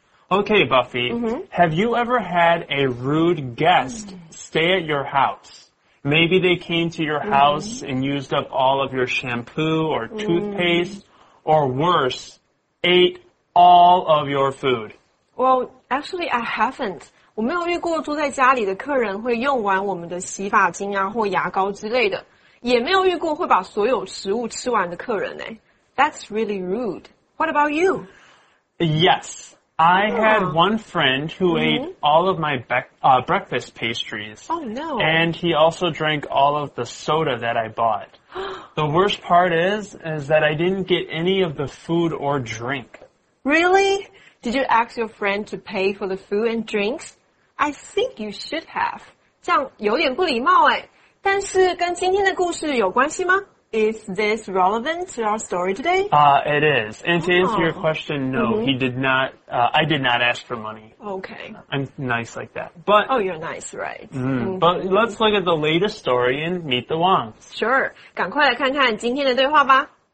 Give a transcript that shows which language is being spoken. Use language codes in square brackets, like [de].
[en] Okay, Buffy, have you ever had a rude guest stay at your house? Maybe they came to your house and used up all of your shampoo or toothpaste, or worse, ate all of your food. Well, actually, I haven't. [zh] 我没有遇过住在家里的客人会用完我们的洗发精啊或牙膏之类的，也没有遇过会把所有食物吃完的客人呢。 [en] That's really rude. What about you? Yes, I had one friend who ate all of my breakfast pastries. Oh no. And he also drank all of the soda that I bought. The worst part is that I didn't get any of the food or drink. Really? Did you ask your friend to pay for the food and drinks? I think you should have. [zh] 这样有点不礼貌哎。但是跟今天的故事有关系吗？ [en] Is this relevant to our story today? It is. And to answer your question, no, he did not, I did not ask for money. Okay. I'm nice like that. But, oh, you're nice, right. But let's look at the latest story in Meet the Wongs. Sure. [zh] 赶快来看看今天的对话吧。